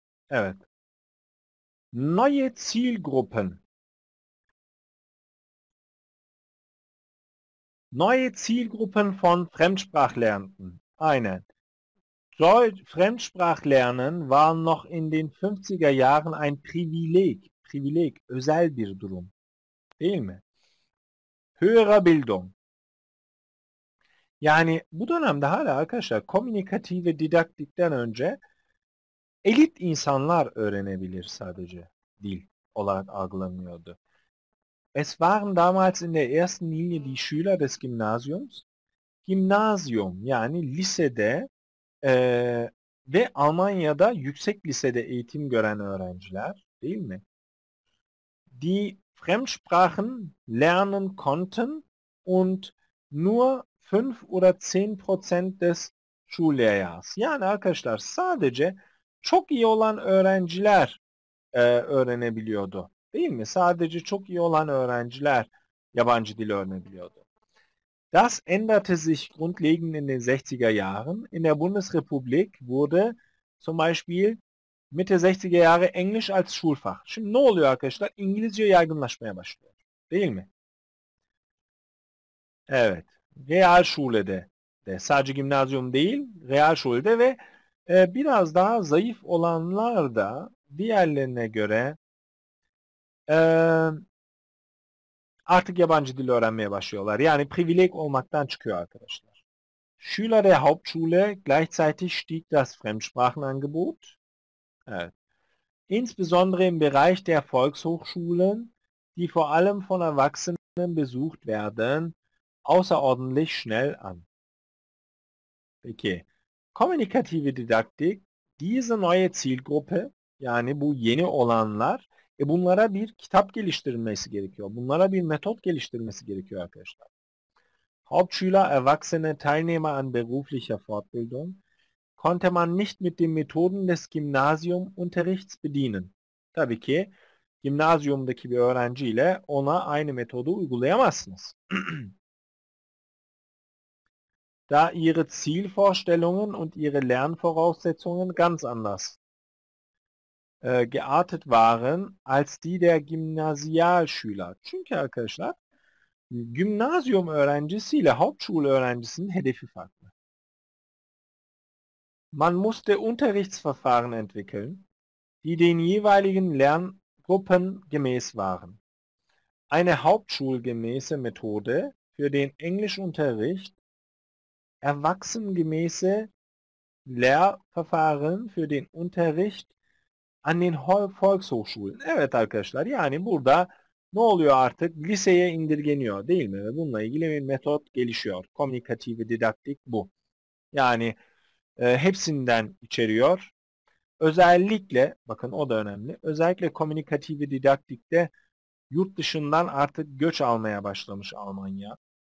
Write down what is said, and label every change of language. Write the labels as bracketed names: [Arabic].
[German] Evet. Neue Zielgruppen. Neue Zielgruppen von Fremdsprachlernenden. Aynen. Fremdsprachlernen war noch in den 50er Jahren ein Privileg. [Turkish] Privileg, özel bir durum. Değil mi? [German] Höhere Bildung. [Turkish] Yani bu dönemde hala arkadaşlar kommunikative didaktikten önce elit insanlar öğrenebilir sadece dil olarak algılanıyordu. [German] Es waren damals in der ersten Linie die Schüler des Gymnasiums. [Turkish] Gymnasium yani lisede ve Almanya'da yüksek lisede eğitim gören öğrenciler, değil mi? [German] Die Fremdsprachen lernen konnten und nur 5 oder 10% des Schuljahres. [Turkish] Yani arkadaşlar sadece çok iyi olan öğrenciler öğrenebiliyordu. Değil mi? Sadece çok iyi olan öğrenciler yabancı dil öğrenebiliyordu. [German] Das änderte sich grundlegend in den 60er Jahren. In der Bundesrepublik wurde zum Beispiel Mitte 60er Jahre Englisch als Schulfach. [Turkish] Şimdi ne oluyor arkadaşlar? İngilizce yaygınlaşmaya başlıyor. Değil mi? Evet. Real Şule'de de. Sadece gimnazyum değil, Real Şule'de ve biraz daha zayıf olanlar da diğerlerine göre artık yabancı dil öğrenmeye başlıyorlar. Yani privileg olmaktan çıkıyor arkadaşlar. [German] Schüler der Hauptschule gleichzeitig stieg das Fremdsprachenangebot. Evet. Insbesondere im Bereich der Volkshochschulen, die vor allem von Erwachsenen besucht werden, außerordentlich schnell an. [Turkish] Peki. [German] Kommunikative Didaktik, diese neue Zielgruppe, [Turkish] yani bu yeni olanlar, bunlara bir kitap geliştirilmesi gerekiyor. Bunlara bir metot geliştirilmesi gerekiyor arkadaşlar. [German] Hauptschüler, Erwachsene, Teilnehmer an beruflicher Fortbildung, konnte man nicht mit den Methoden des Gymnasium-Unterrichts bedienen. [Turkish] Tabii ki gymnasiumdaki bir öğrenciyle ona aynı metodu uygulayamazsınız. [German] Da ihre Zielvorstellungen und ihre Lernvoraussetzungen ganz anders geartet waren als die der Gymnasialschüler. [Turkish] Çünkü arkadaşlar, gymnasium öğrencisiyle Hauptschule öğrencisinin hedefi farklı. [German] Man musste Unterrichtsverfahren entwickeln, die den jeweiligen Lerngruppen gemäß waren. Eine hauptschulgemäße Methode für den Englischunterricht, erwachsengemäße Lehrverfahren für den Unterricht an den Volkshochschulen. [Turkish] Evet arkadaşlar, yani burada ne oluyor artık? Liseye indirgeniyor, değil mi? Ve bununla ilgili bir metot gelişiyor. Kommunikative didaktik bu. Yani hepsinden içeriyor. Özellikle, bakın o da önemli. Özellikle kommunikative didaktikte yurt dışından artık göç almaya başlamış Almanya.